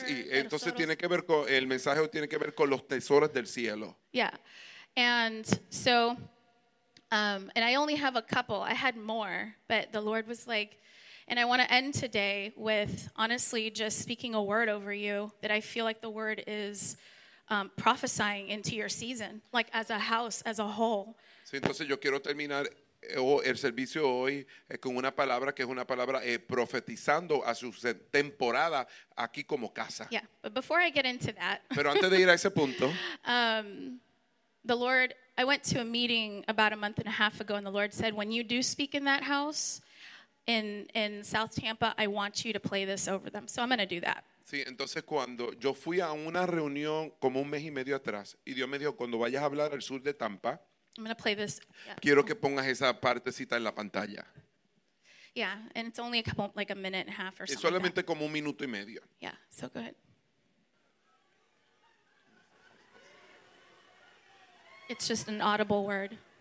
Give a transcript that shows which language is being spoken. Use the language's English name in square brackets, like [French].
[Spanish] Entonces tiene que ver con el mensaje, tiene que ver con los tesoros del cielo. [English] Yeah, and so, and I only have a couple. I had more, but the Lord was like, and I want to end today with honestly just speaking a word over you that I feel like the word is prophesying into your season, like as a house, as a whole. [Spanish] Sí, entonces yo quiero terminar el servicio hoy con una palabra que es una palabra profetizando a su temporada aquí como casa. [English] Yeah, but before I get into that, [Spanish] pero antes de ir a ese punto, [English] the Lord, I went to a meeting about a month and a half ago, and the Lord said, when you do speak in that house in South Tampa, I want you to play this over them. So I'm going to do that. [Spanish] Sí, entonces cuando yo fui a una reunión como un mes y medio atrás, y Dios me dijo, cuando vayas a hablar al sur de Tampa, [English] I'm going to play this. Yeah. [Spanish] Quiero que pongas esa partecita en la pantalla. [English] Yeah, and it's only a couple, like a minute and a half or something. [Spanish] Es solamente [English] like [Spanish] como un minuto y medio. [English] Yeah, so go ahead. It's just an audible word.